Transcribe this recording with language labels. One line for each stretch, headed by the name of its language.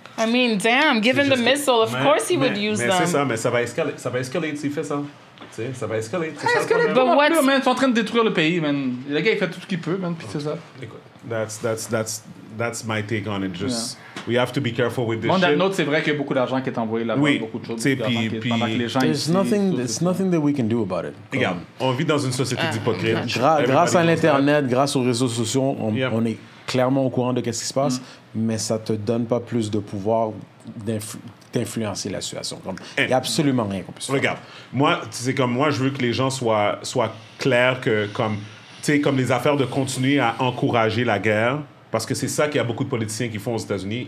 English: I mean, damn, given the missile, of course he would use them.
French: Mais c'est ça, mais ça va escaler. Ça va escaler, tu fais ça. Ça va escaler. Ça va escaler.
English: But what?
French: Ils sont en train de détruire le pays, man. Le gars, il fait tout ce qu'il peut, man, puis c'est ça.
English: That's my take on it. Just we have to be careful with this. On that note,
French: c'est vrai qu'il y a beaucoup d'argent qui est envoyé là-bas, oui. Beaucoup de choses. Puis,
English: there's nothing that we can do about it.
French: Yeah. On vit dans une société d'hypocrites. Grâce à l'internet, grâce aux réseaux sociaux, on est clairement au courant de qu'est-ce qui se passe, mais ça te donne pas plus de pouvoir d'influencer la situation. Il n'y a absolument rien qu'on puisse faire. Regarde, moi, c'est comme moi, je veux que les gens soient clairs que comme c'est comme les affaires de continuer à encourager la guerre, parce que c'est ça qu'il y a beaucoup de politiciens qui font aux États-Unis.